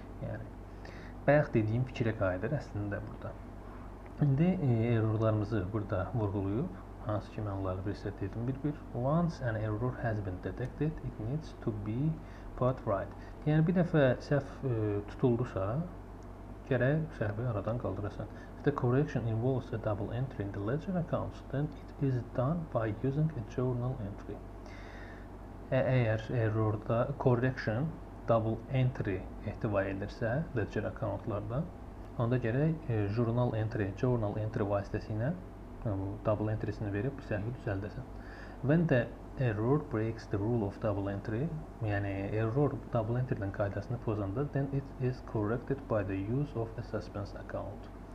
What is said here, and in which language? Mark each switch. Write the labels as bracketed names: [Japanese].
[Azerbaijani] Yəni, bayaq dediyim fikirə qayıdır əslində burada. İndi errorlarımızı burada vurğulayıb. Hansı ki, mən onları bir hissət edim bir-bir. [English] Once an error has been detected, it needs to be put right. [Azerbaijani] Yəni, bir dəfə səhv tutuldusa, gərək səhvi aradan qaldırasan. [English] If the correction involves a double entry in the ledger accounts, then it is done by using a journal entry. [Azerbaijani] Əgər errorda correction double entry ehtiva edirsə ledger accountlarda, onda gərək journal entry vasitəsilə double entry-sini verib səhvi düzəldəsən. [English] When the error breaks the rule of double entry, [Azerbaijani] yəni error double entry-dən qaydasını pozanda, [English] then it is corrected by the use of a suspense account.